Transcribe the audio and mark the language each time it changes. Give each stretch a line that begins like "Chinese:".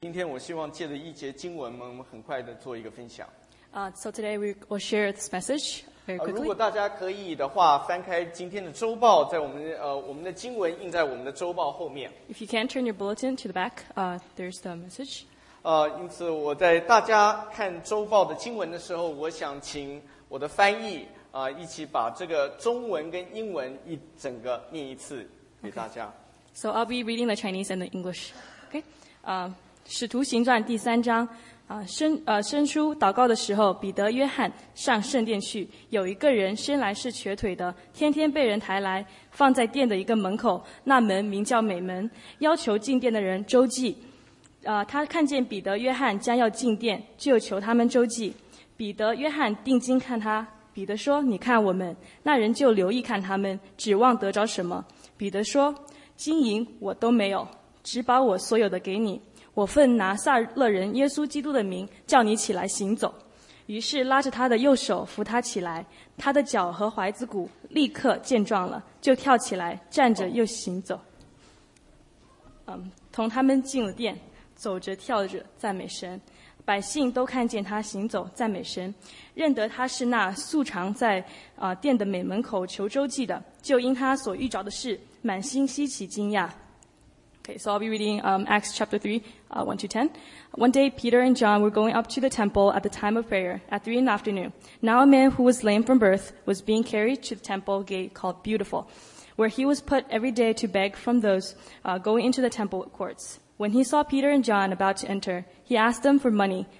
Chinese: 今天我希望借着一节经文，我们很快的做一个分享。
English: So today we will share this message very quickly.
Chinese: 如果大家可以的话，翻开今天的周报，在我们我们的经文印在我们的周报后面。
English: If you can turn your bulletin to the back, there's the message.
Chinese: 因此我在大家看周报的经文的时候，我想请我的翻译一起把这个中文跟英文一整个念一次给大家。
English: Okay. So I'll be reading the Chinese and the English. Okay.
Chinese: 使徒行传第三章伸出祷告的时候，彼得约翰上圣殿去，有一个人生来是瘸腿的，天天被人抬来放在殿的一个门口，那门名叫美门，要求进殿的人周济。他看见彼得约翰将要进殿，就求他们周济。彼得约翰定睛看他，彼得说，你看我们。那人就留意看他们，指望得着什么。彼得说，金银我都没有，只把我所有的给你，我奉拿撒勒人耶稣基督的名叫你起来行走。于是拉着他的右手扶他起来，他的脚和踝子骨立刻健壮了，就跳起来站着又行走。同他们进了殿，走着跳着赞美神，百姓都看见他行走赞美神，认得他是那素常在殿的美门口求周济的，就因他所遇着的事满心稀奇惊讶。
English: Okay, so I'll be reading Acts chapter 3, 1 to 10. One day, Peter and John were going up to the temple at the time of prayer, at 3 in the afternoon. Now a man who was lame from birth was being carried to the temple gate called Beautiful, where he was put every day to beg from those going into the temple courts. When he saw Peter and John about to enter, he asked them for money.